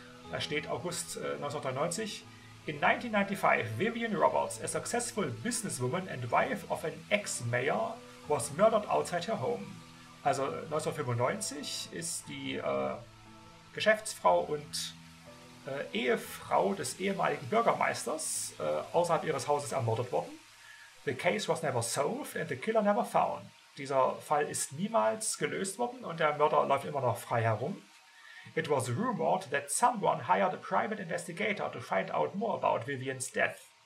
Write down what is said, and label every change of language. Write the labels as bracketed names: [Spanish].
[German] Da steht August 1993. [English] In 1995, Vivian Roberts, a successful businesswoman and wife of an ex-mayor, was murdered outside her home. [German] Also 1995 ist die Geschäftsfrau und Ehefrau des ehemaligen Bürgermeisters außerhalb ihres Hauses ermordet worden. [English] The case was never solved and the killer never found. [German] Dieser Fall ist niemals gelöst worden und der Mörder läuft immer noch frei herum. [English] It was rumored that someone hired a private investigator to find out more about Vivian's death.